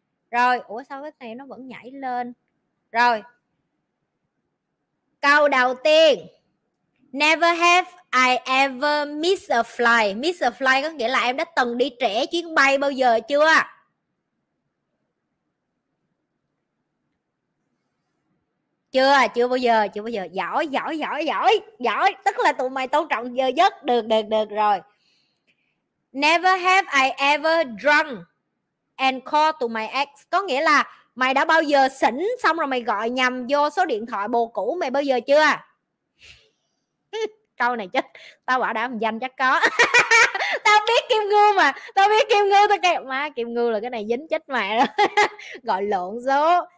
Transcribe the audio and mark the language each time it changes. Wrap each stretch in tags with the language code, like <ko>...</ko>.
<vi>Rồi, ủa sao cái này nó vẫn nhảy lên. Rồi, câu đầu tiên,</vi> <en>never have I ever miss a flight. Miss a flight</en> <vi>có nghĩa là em đã từng đi trễ chuyến bay bao giờ chưa? Chưa bao giờ. Giỏi. Tức là tụi mày tôn trọng giờ giấc. Được rồi.</vi> <en>Never have I ever drunk and call to my ex.</en> <vi>Có nghĩa là mày đã bao giờ xỉn xong rồi mày gọi nhầm vô số điện thoại bồ cũ mày bao giờ chưa? Câu này chết. Tao bảo đảm danh chắc có. Tao biết Kim Ngư tao kẹo má. Kim Ngư là cái này dính chết mẹ rồi. Gọi lộn số.</vi>